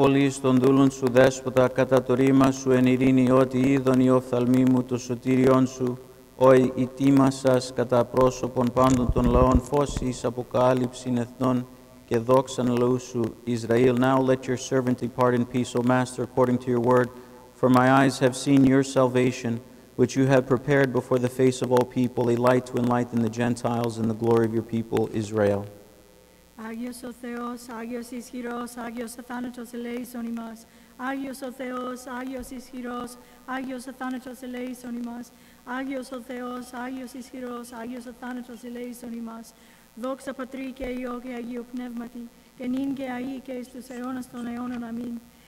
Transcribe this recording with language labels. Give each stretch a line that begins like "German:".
Greek: Στον δούλον σου δέσποτα κατά το ρήμα σου εν ειρήνη ότι είδον οι οφθαλμοί μου το σωτήριον σου οι ετοίμασας κατά πρόσωπον πάντων των λαών φως εις αποκάλυψην εθνών και δόξαν λαού σου Ισραήλ.
English: Now let your servant depart in peace, O Master, according to your word, for my eyes have seen your salvation, which you have prepared before the face of all people, a light to enlighten the Gentiles and the glory of your people Israel.
Greek: Άγιος ο Θεός, Άγιος ισχυρός, Άγιος ο θάνατος ελέησον ημάς. Άγιος ο Θεός, Άγιος ισχυρός, Άγιος ο θάνατος ελέησον ημάς. Άγιος ο Θεός, Άγιος ισχυρός, Άγιος ο θάνατος ελέησον ημάς. Δόξα Πατρί και Υιό και Αγίου Πνεύματι, και νυν και αΐ και εις τους αιώνας των αιώνων. Αμήν.